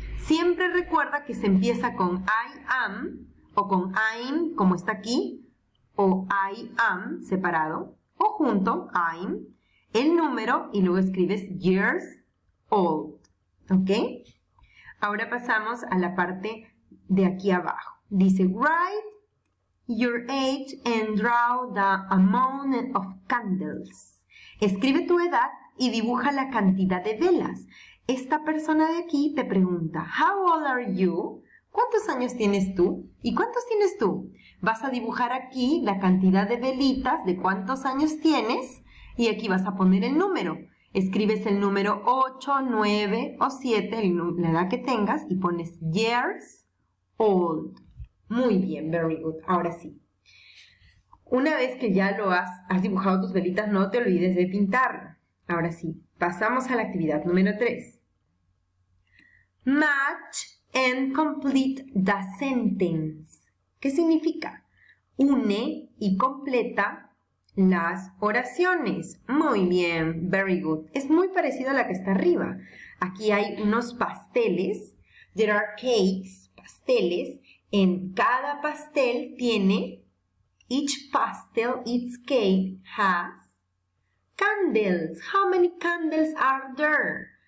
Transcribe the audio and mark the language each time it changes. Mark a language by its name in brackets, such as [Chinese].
[Spanish] Siempre recuerda que se empieza con I am. O con I'm, como está aquí, o I am, separado, o junto, I'm, el número y luego escribes years old. ¿Ok? Ahora pasamos a la parte de aquí abajo. Dice, [English] write your age and draw the amount of candles. [Spanish] Escribe tu edad y dibuja la cantidad de velas. Esta persona de aquí te pregunta, [English] how old are you? [Spanish] ¿Cuántos años tienes tú? ¿Y cuántos tienes tú? Vas a dibujar aquí la cantidad de velitas de cuántos años tienes y aquí vas a poner el número. Escribes el número 8, 9 o 7, la edad que tengas, y pones years old. Muy bien, [English] very good. [Spanish] Ahora sí. Una vez que ya lo has dibujado tus velitas, no te olvides de pintarlo. Ahora sí, pasamos a la actividad número 3. Match. [English] And complete the sentence. [Spanish] ¿Qué significa? Une y completa las oraciones. Muy bien, [English] very good. [Spanish] Es muy parecido a la que está arriba. Aquí hay unos pasteles. [English] There are cakes, pasteles. [Spanish] En cada pastel tiene, [English] each pastel, each cake has candles. How many candles are there?